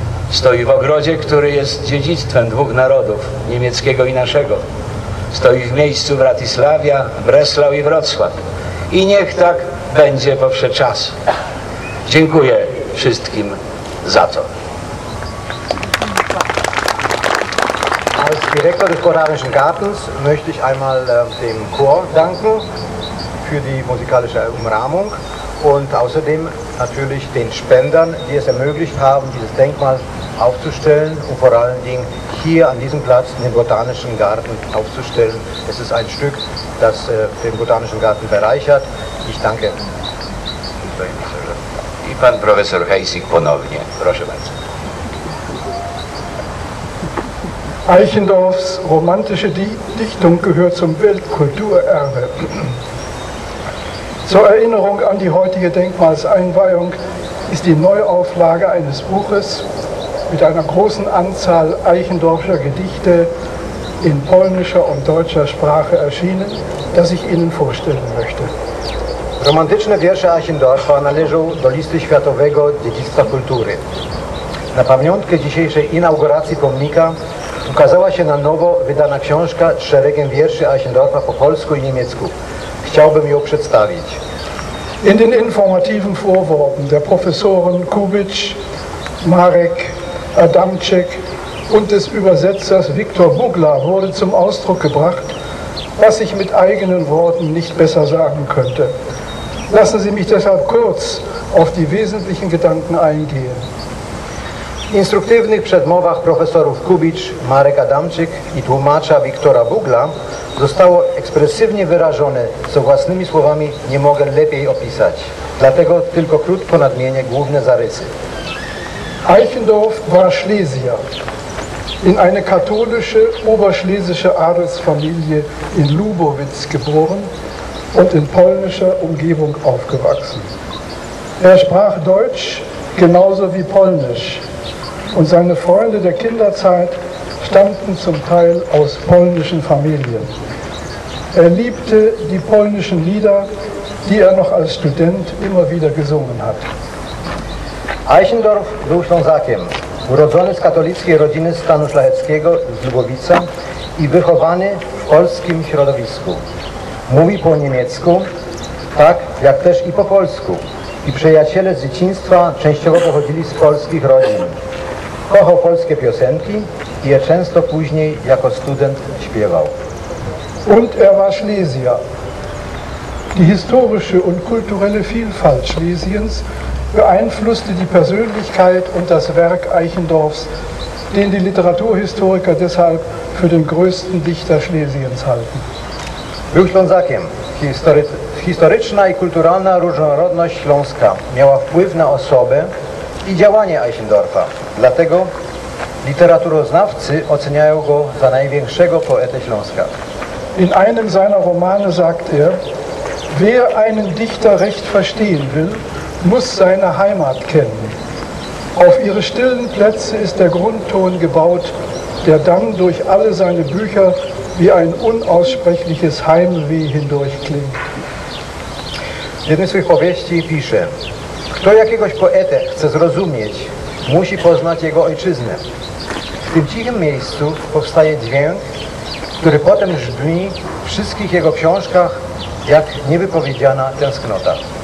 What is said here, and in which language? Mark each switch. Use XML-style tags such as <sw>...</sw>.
<pl>Stoi w ogrodzie, który jest dziedzictwem dwóch narodów, niemieckiego i naszego. Stoi w miejscu Bratysławia, Breslau i Wrocław. I niech tak będzie powsze czas. Dziękuję wszystkim za to.</pl> <de>Als Direktor des Botanischen Gartens möchte ich einmal dem Chor danken für die musikalische Umrahmung und außerdem natürlich den Spendern, die es ermöglicht haben, dieses Denkmal aufzustellen und vor allen Dingen hier an diesem Platz in den Botanischen Garten aufzustellen. Es ist ein Stück, das den Botanischen Garten bereichert. Ich danke.</de> <pl>I pan profesor Hejsik ponownie. Proszę bardzo.</pl> <de>Eichendorffs romantische Dichtung gehört zum Weltkulturerbe. Zur Erinnerung an die heutige Denkmalseinweihung ist die Neuauflage eines Buches mit einer großen Anzahl Eichendorffscher Gedichte in polnischer und deutscher Sprache erschienen, das ich Ihnen vorstellen möchte.</de> <pl>Romantyczne wiersze Eichendorffa należą do listy światowego dziedzictwa kultury. Na pamiątkę dzisiejszej inauguracji pomnika ukazała się na nowo wydana książka z szeregiem wierszy Eichendorffa po polsku i niemiecku. Chciałbym ją przedstawić.</pl> <de>In den informativen Vorworten der Professoren Kubitsch, Marek, Adamczyk und des Übersetzers Viktor Bugler wurde zum Ausdruck gebracht, was ich mit eigenen Worten nicht besser sagen könnte. Lassen Sie mich deshalb kurz auf die wesentlichen Gedanken eingehen.</de> <pl>W instruktywnych przedmowach profesorów Kubicz, Marek Adamczyk i tłumacza Wiktora Bugla zostało ekspresywnie wyrażone, co własnymi słowami nie mogę lepiej opisać. Dlatego tylko krótko nadmienię główne zarysy.</pl> <de>Eichendorff war Schlesier in eine katholische oberschlesische Adelsfamilie in Lubowitz geboren und in polnischer Umgebung aufgewachsen. Er sprach Deutsch genauso wie Polnisch. Und seine Freunde der Kinderzeit stammten zum Teil aus polnischen Familien. Er liebte die polnischen Lieder, die er noch als Student immer wieder gesungen hat.</de> <pl>Eichendorff był Ślązakiem, urodzony z katolickiej rodziny stanu szlacheckiego z Lubowica i wychowany w polskim środowisku. Mówi po niemiecku, tak jak też i po polsku. I przyjaciele z dzieciństwa częściowo pochodzili z polskich rodzin. Kochał polskie piosenki i je często później jako student śpiewał.</pl> <de>Und er war Schlesier. Die historische und kulturelle Vielfalt Schlesiens beeinflusste die Persönlichkeit und das Werk Eichendorffs, den die Literaturhistoriker deshalb für den größten Dichter Schlesiens halten.</de> <pl>Był Ślązakiem. Historyczna i kulturalna różnorodność Śląska miała wpływ na osobę i działanie Eichendorffa. Dlatego literaturoznawcy oceniają go za największego poetę Śląska.</pl> <de>In einem seiner Romane sagt er, wer einen Dichter recht verstehen will, muss seine Heimat kennen. Auf ihre stillen Plätze ist der Grundton gebaut, der dann durch alle seine Bücher wie ein unaussprechliches Heimweh hindurchklingt.</de> <pl>W jednej swych powieści pisze, kto jakiegoś poetę chce zrozumieć, musi poznać jego ojczyznę. W tym cichym miejscu powstaje dźwięk, który potem brzmi w wszystkich jego książkach jak niewypowiedziana tęsknota.</pl>